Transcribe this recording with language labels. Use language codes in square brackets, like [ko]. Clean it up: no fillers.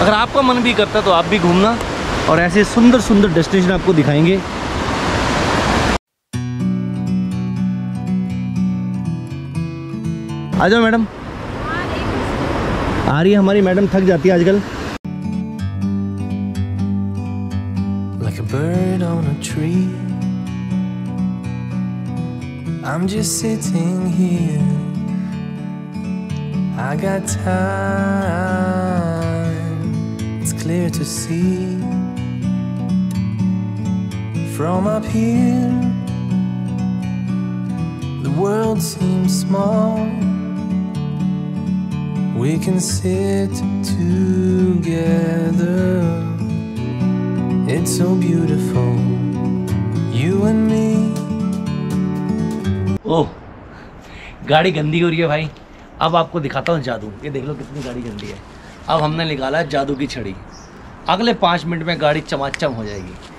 [hi] अगर आपका मन भी करता तो आप भी घूमना और ऐसे सुंदर सुंदर डेस्टिनेशन आपको दिखाएंगे। आ जाओ मैडम, आ रही है हमारी मैडम, थक जाती है आजकल। [en] Like a bird on a tree, I'm just sitting here. I got time, it's clear to see. From up here, the world seems small. We can sit together, it's so beautiful, you and me. [hi] ओह, गाड़ी गंदी हो रही है भाई। अब आपको दिखाता हूँ जादू। ये देख लो कितनी गाड़ी गंदी है। अब हमने निकाला है जादू की छड़ी, अगले 5 मिनट में गाड़ी चमाचम हो जाएगी।